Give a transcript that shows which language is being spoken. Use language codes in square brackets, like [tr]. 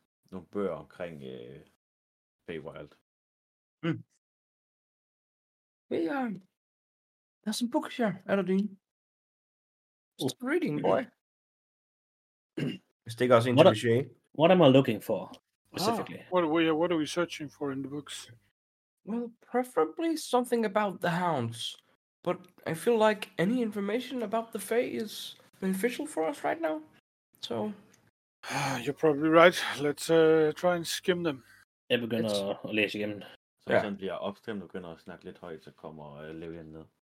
[da] nogle bøger omkring Feywild. [en] Hey, there's some books here, Aladdin. Just reading, boy. [da] Jeg stikker også ind til Michelle. [en] What am I looking for, specifically? What are we searching for in the books? Well, preferably something about the Hounds. But I feel like any information about the Fae is beneficial for us right now. So... You're probably right. Let's try and skim them. [da] Jeg begynder at læse igennem. Så sådan bliver opstemt og begynder at snakke lidt højt, så kommer Levian ned.